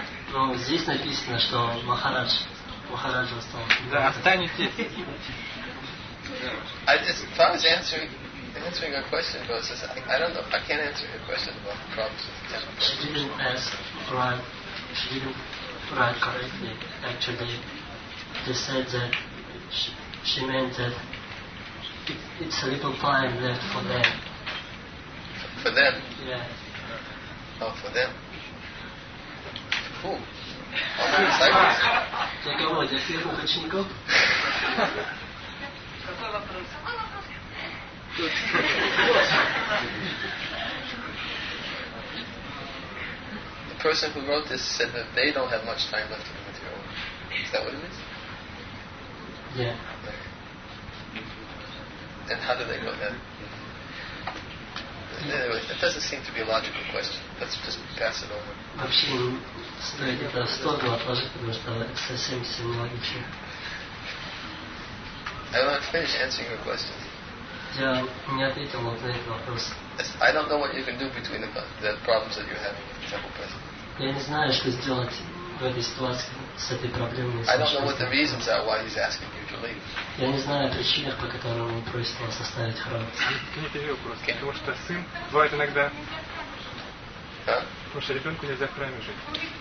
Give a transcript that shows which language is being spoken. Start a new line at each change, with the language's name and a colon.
Russian: Но здесь написано, что Махарадж остался. Да, останетесь.
English: I just, if I was answering a question about this, I don't know, I can't answer your question about the problems with the temple. She didn't ask, right? She didn't write correctly. Actually, they said that she meant that it's a little time left for them. For them? Yeah. Oh, for them. Who? All the disciples?
Russian: Для кого? Для первых учеников? Какой вопрос?
English: The person who wrote this said that they don't have much time left in the material world. Is that what it is? Yeah. And how do they know that? Anyway, that doesn't seem to be a logical question. Let's just pass it over.
Russian: Стоит это столько отложить, потому что это совсем нелогично.
English: I don't finish answering your question.
Russian: Я не ответил вот на этот вопрос.
English: I don't know what you can do between the problems that you're having with the temple president.
Russian: Я не знаю, что сделать в этой ситуации с этой проблемой.
English: I don't know what the reasons are why he's asking you to leave.
Russian: Я не знаю о причинах, по которым он просит вас оставить храм. Это не вопрос, потому что сын бывает иногда. Потому что ребенку нельзя в храме жить.